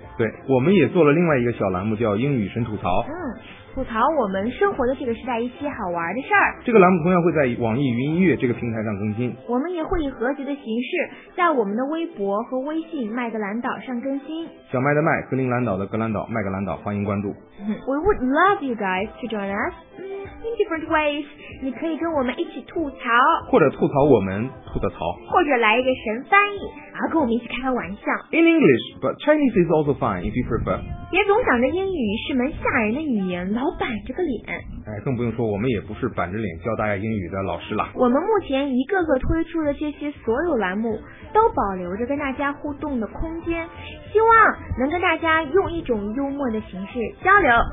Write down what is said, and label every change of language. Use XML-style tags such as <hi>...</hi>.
<zh>对，我们也做了另外一个小栏目，叫英语神吐槽。吐槽我们生活的这个时代一些好玩的事儿。这个栏目同样会在网易云音乐这个平台上更新。我们也会以合集的形式在我们的微博和微信麦格兰岛上更新。小麦的麦，格林兰岛的格兰岛，麦格兰岛，欢迎关注。</zh> <en>We would love you guys to join us in different ways.</en> <zh>你可以跟我们一起吐槽，或者吐槽我们吐的槽，或者来一个神翻译，然后跟我们一起开开玩笑。</zh> <en>In English, but Chinese is also fine if you prefer.</en> <zh>别总想着英语是门吓人的语言，老板着个脸。哎，更不用说我们也不是板着脸教大家英语的老师了。我们目前一个个推出的这些所有栏目都保留着跟大家互动的空间，希望能跟大家用一种幽默的形式交流，</zh>